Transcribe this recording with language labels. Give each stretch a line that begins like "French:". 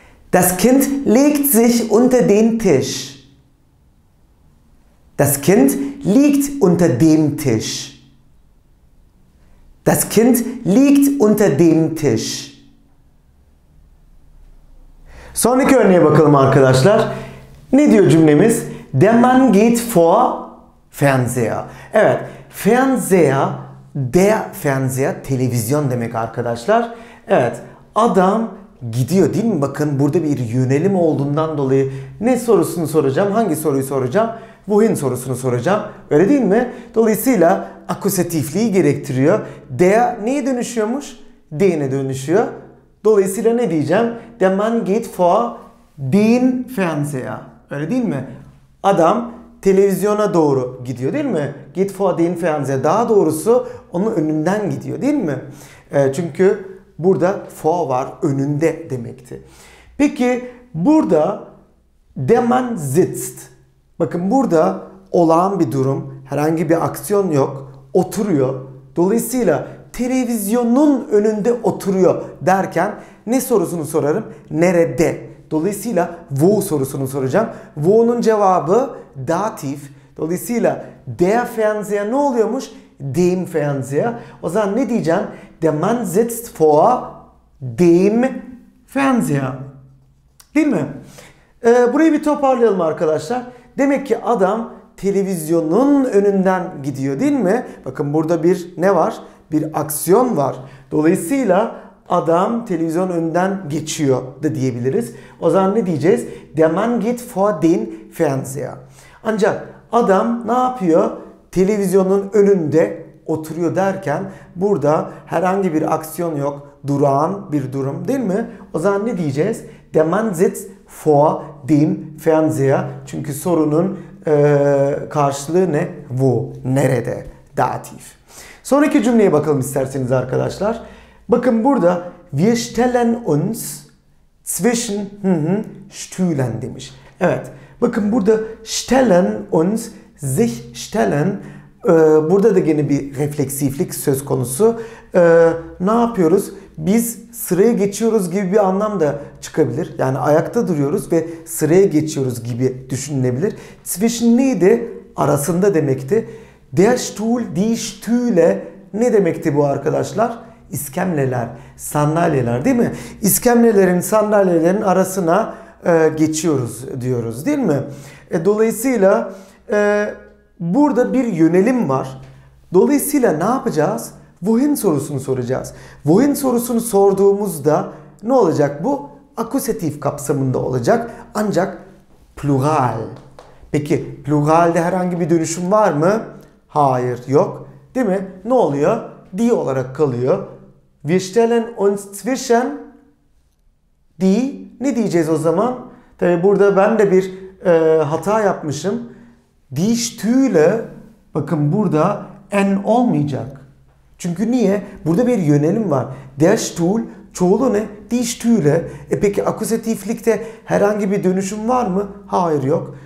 German: Das Kind legt sich unter den Tisch. Das Kind liegt unter dem Tisch. Das Kind liegt unter dem Tisch.
Turkish: Sonraki örneğe bakalım arkadaşlar. Ne diyor cümlemiz?
German: Der Mann geht vor Fernseher.
Turkish: Evet, Fernseher,
German: der Fernseher,
Turkish: televizyon demek arkadaşlar. Evet, adam gidiyor değil mi? Bakın burada bir yönelim olduğundan dolayı ne sorusunu soracağım, hangi soruyu soracağım? Wohin sorusunu soracağım, öyle değil mi? Dolayısıyla akusatifliği gerektiriyor. Der neye dönüşüyormuş? Den'e dönüşüyor. Dolayısıyla ne diyeceğim?
German: Der Mann geht vor den Fernseher.
Turkish: Öyle değil mi? Adam televizyona doğru gidiyor değil mi?
German: Geht vor den Fernseher.
Turkish: Daha doğrusu onun önünden gidiyor değil mi? Çünkü burada vor var, önünde demekti. Peki burada
German: der Mann sitzt.
Turkish: Bakın burada olağan bir durum, herhangi bir aksiyon yok, oturuyor. Dolayısıyla televizyonun önünde oturuyor derken ne sorusunu sorarım? Nerede? Dolayısıyla wo sorusunu soracağım. Wo'nun cevabı datif. Dolayısıyla der Fernseher ne oluyormuş? Dem Fernseher. O zaman ne diyeceğim?
German: Der Mann sitzt vor dem Fernseher.
Turkish: Değil mi? Burayı bir toparlayalım arkadaşlar. Demek ki adam televizyonun önünden gidiyor değil mi? Bakın burada bir ne var? Bir aksiyon var. Dolayısıyla adam televizyon önünden geçiyor da diyebiliriz. O zaman ne diyeceğiz?
German: Der Mann geht vor den Fernseher.
Turkish: Ancak adam ne yapıyor? Televizyonun önünde oturuyor derken burada herhangi bir aksiyon yok. Durağan bir durum değil mi? O zaman ne diyeceğiz?
German: Der Mann sitzt vor dem Fernseher.
Turkish: Çünkü sorunun karşılığı ne? Wo. Nerede? Dativ. Sonraki cümleye bakalım isterseniz arkadaşlar. Bakın burada
German: wir stellen uns zwischen Stühlen
Turkish: demiş. Evet. Bakın burada
German: stellen uns, sich stellen.
Turkish: Burada da yine bir refleksiflik söz konusu. Ne yapıyoruz? Biz sıraya geçiyoruz gibi bir anlam da çıkabilir. Yani ayakta duruyoruz ve sıraya geçiyoruz gibi düşünülebilir. Zwischen neydi? Arasında demekti.
German: Der Stuhl, die Stühle
Turkish: ne demekti bu arkadaşlar? İskemleler, sandalyeler değil mi? İskemlelerin, sandalyelerin arasına geçiyoruz diyoruz değil mi? Dolayısıyla burada bir yönelim var. Dolayısıyla ne yapacağız? Wohin sorusunu soracağız. Wohin sorusunu sorduğumuzda ne olacak bu? Akusatif kapsamında olacak. Ancak plural. Peki pluralde herhangi bir dönüşüm var mı? Hayır, yok. Değil mi? Ne oluyor? Die olarak kalıyor.
German: Wir stellen uns zwischen die.
Turkish: Ne diyeceğiz o zaman? Tabi burada ben de bir hata yapmışım.
German: Die Stühle,
Turkish: bakın burada en olmayacak. Çünkü niye? Burada bir yönelim var.
German: Der Stuhl,
Turkish: çoğulu ne?
German: Die Stühle.
Turkish: Peki akusatiflikte herhangi bir dönüşüm var mı? Hayır, yok.